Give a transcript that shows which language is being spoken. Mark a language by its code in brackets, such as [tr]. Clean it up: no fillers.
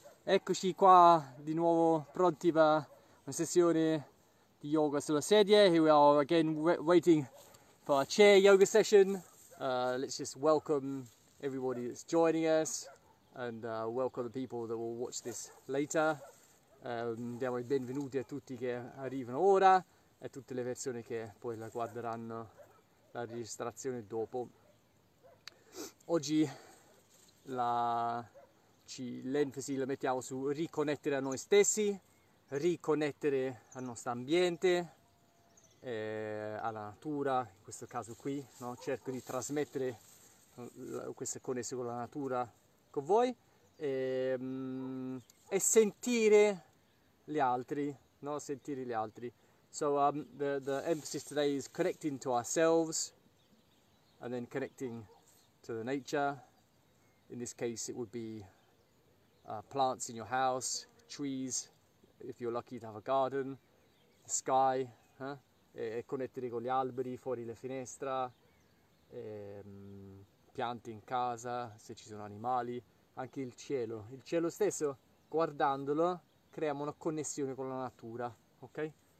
[it] Eccoci qua di nuovo pronti per una sessione di yoga sulla sedia. [en] Here we are again waiting for our chair yoga session. Let's just welcome everybody that's joining us and welcome the people that will watch this later. [it] Diamo i benvenuti a tutti che arrivano ora e a tutte le persone che poi la guarderanno la registrazione dopo. Oggi l'enfasi la mettiamo su riconnettere a noi stessi, riconnettere al nostro ambiente, alla natura, in questo caso qui, no? Cerco di trasmettere questa connessione con la natura con voi e sentire gli altri, no? Sentire gli altri. [en] So the emphasis today is connecting to ourselves and then connecting to the nature. In this case, it would be plants in your house, trees, if you're lucky to have a garden, the sky, eh? [it] E connettere con gli alberi fuori la finestra, piante in casa, se ci sono animali, anche il cielo stesso, guardandolo, creiamo una connessione con la natura, ok?